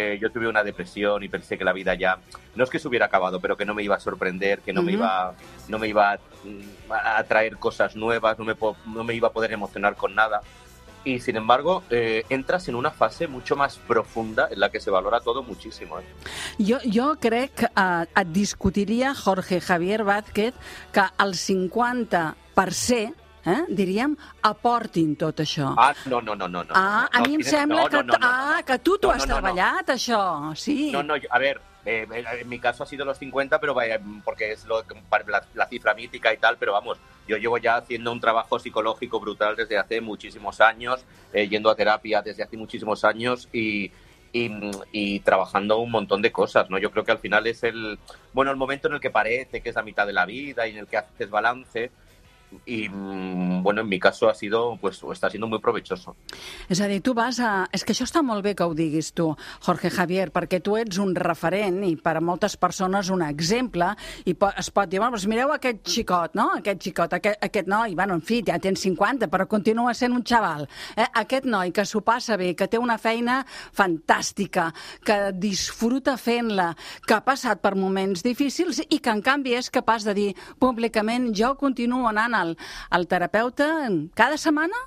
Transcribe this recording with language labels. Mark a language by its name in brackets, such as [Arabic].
[Spanish] Yo tuve una depresión y pensé que la vida ya, no es que se hubiera acabado, pero que no me iba a sorprender, que no, uh-huh, no me iba a traer cosas nuevas, no me iba a poder emocionar con nada. Y sin embargo, entras en una fase mucho más profunda en la que se valora todo muchísimo. [Catalan] Jo crec, et discutiria, Jorge Javier Vázquez, que els 50 per se, diríem, aportin tot això. Ah, no, no, no, no. No, ah, no, a mi em sembla que tu t'ho has treballat, això, sí. [Spanish] No, no, a ver, en mi caso ha sido los 50, pero vaya, porque es la cifra mítica y tal, pero vamos, yo llevo ya haciendo un trabajo psicológico brutal desde hace muchísimos años, yendo a terapia desde hace muchísimos años y trabajando un montón de cosas, ¿no? Yo creo que al final es el momento en el que parece que es la mitad de la vida y en el que haces balance. Y bueno, en mi caso ha sido, pues está siendo muy provechoso. [Catalan] És a dir, tu vas a... És que això està molt bé que ho diguis tu, Jorge Javier, perquè tu ets un referent i per a moltes persones un exemple, i es pot dir, bueno, doncs mireu aquest xicot, no? Aquest xicot, aquest noi, bueno, en fi, ja tens 50, però continua sent un xaval. Aquest noi que s'ho passa bé, que té una feina fantàstica, que disfruta fent-la, que ha passat per moments difícils i que, en canvi, és capaç de dir públicament, jo continuo anant al terapeuta cada setmana?